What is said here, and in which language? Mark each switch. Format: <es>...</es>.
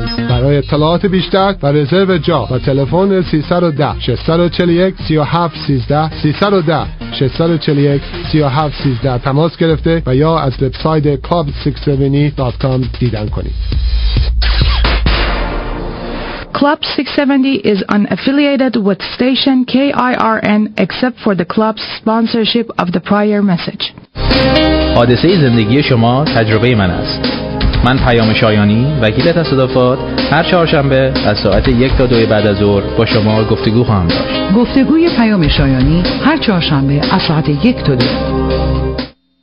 <fa>برای اطلاعات بیشتر و رزرو جا و تلفن 310 641 3713 310 641-3713 تماس گرفته و یا از وبسایت club670.com دیدن کنید.</fa> <en>Club 670 is unaffiliated with station KIRN except for the club's sponsorship of the prior message.</en> <fa>حادثه زندگی شما تجربه من است. من پیام شایانی، وکیل تصادفات، هر چهارشنبه از ساعت 1 تا 2 بعد از ظهر با شما گفتگو خواهم داشت. گفتگوی پیام شایانی هر چهارشنبه از ساعت 1 تا 2.</fa>